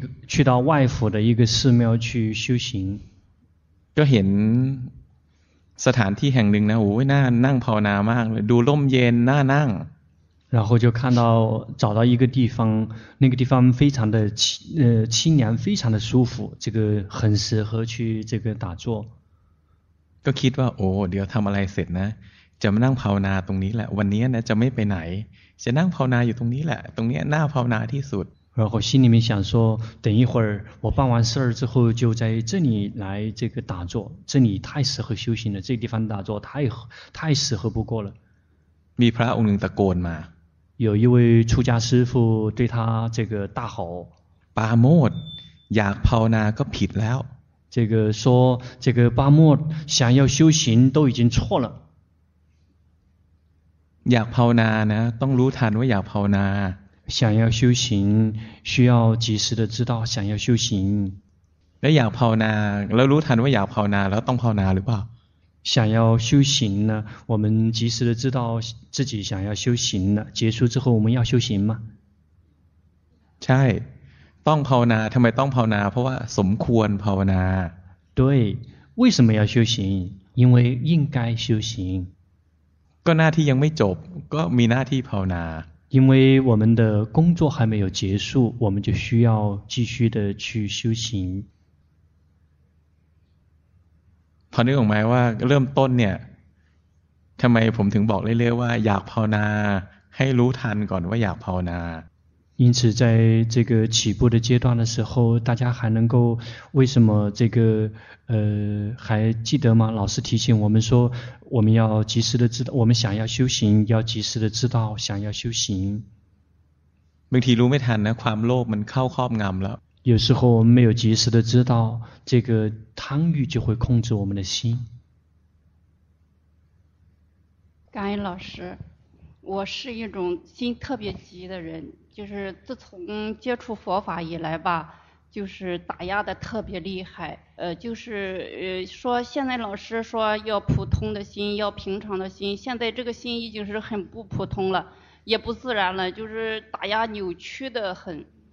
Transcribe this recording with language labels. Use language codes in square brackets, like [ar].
[zh] 去到外府的一个寺庙去修行 [th] ก็เห็นสถานที่แห่งหนึ่งนะโอ้ยน่านั่งภาวนามากเลยดูร่มเย็นน่านั่ง [zh] 然后就看到找到一个地方那个地方非常的清凉非常的舒服这个很适合去这个打坐 [th] ก็คิดว่าโอ้เดี๋ยวทำอะไรเสร็จนะจะมานั่งภาวนาตรงนี้แหละวันนี้นะจะไม่ไปไหนจะนั่งภาวนาอยู่ตรงนี้แหละตรงนี้น่าภาวนาที่สุด [zh] 然后心里面想说等一会儿我办完事儿之后就在这里来这个打坐这里太适合修行了这个地方打坐太适合不过了 [th] มีพระองค์หนึ่งตะโกนมา [zh] 有一位出家师父对他这个大吼 [th] ปาโมดอยากภาวนาก็ผิดแล้ว [zh] 这个说这个巴莫想要修行都已经错了 [th] อยากภาวนานะต้องรู้ทันว่าอยากภาวนา [zh] 想要修行需要及时的知道想要修行 [th] แล้วอยากภาวนาแล้วรู้ทันว่าอยากภาวนาแล้วต้องภาวนาหรือเปล่า [zh] 想要修行呢我们及时的知道自己想要修行了结束之后我们要修行吗 [th] ใช่ต้องภาวนาทำไมต้องภาวนาเพราะว่าสมควรภาวนา [zh] 对为什么要修行因为应该修行 [th] ก็หน้าที่ยังไม่จบก็มีหน้าที่ภาวนา [zh] 因为我们的工作还没有结束我们就需要继续的去修行 [th] พอนึกออกไหมว่าเริ่มต้นเนี่ยทำไมผมถึงบอกเรื่อยๆว่าอยากภาวนาให้รู้ทันก่อนว่าอยากภาวนา [zh] 因此在这个起步的阶段的时候大家还能够为什么这个还记得吗老师提醒我们说我们要及时的知道我们想要修行要及时的知道想要修行 [th] บางทีรู้ไม่ทันนะความโลภมันเข้าครอบงำแล้ว [zh] 有时候我们没有及时的知道这个贪欲就会控制我们的心感恩老师我是一种心特别急的人就是自从接触佛法以来吧就是打压的特别厉害就是说现在老师说要普通的心要平常的心现在这个心已经是很不普通了也不自然了就是打压扭曲的很